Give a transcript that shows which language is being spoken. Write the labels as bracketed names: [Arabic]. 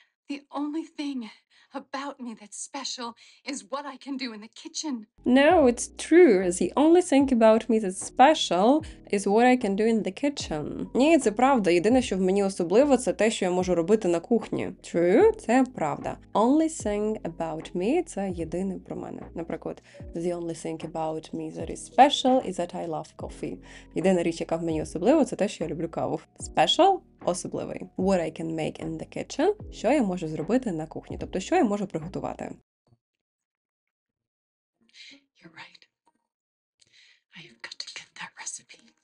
[English] The only thing about me that's special is what I can do in the kitchen. No, it's true. The only thing about me that's special is what I can do in the kitchen. [Ukrainian] Ні, це правда. Єдине, що в мені особливо, це те, що я можу робити на кухні. True, це правда. [English] Only thing about me [Ukrainian] – це єдине про мене. Наприклад, [English] the only thing about me that is special is that I love coffee. [Ukrainian] Єдина річ, яка в мені особливо, це те, що я люблю каву. Special – особливий. [English] What I can make in the kitchen [Ukrainian] – що я можу зробити на кухні. Тобто, що я можу приготувати. [English] You're right. I have got to get that recipe.